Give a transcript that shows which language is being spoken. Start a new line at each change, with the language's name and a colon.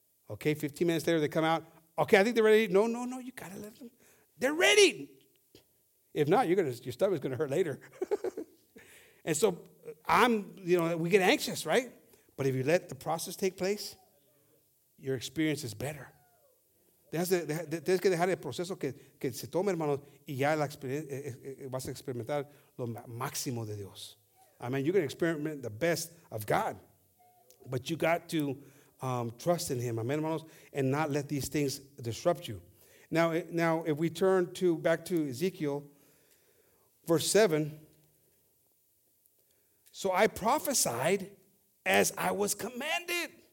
English: Okay, 15 minutes later, they come out. Okay, I think they're ready. No, you got to let them. They're ready. If not, your stomach's going to hurt later. And so I'm, you know, we get anxious, right? But if you let the process take place, your experience is better.
Spanish: Tienes que dejar el proceso que se tome, hermanos, y ya vas a experimentar lo máximo de Dios.
English: I mean, you're going to experiment the best of God. But you got to trust in Him,
Spanish: amen, hermanos,
English: and not let these things disrupt you. Now, if we turn back to Ezekiel, verse 7, so I prophesied as I was commanded.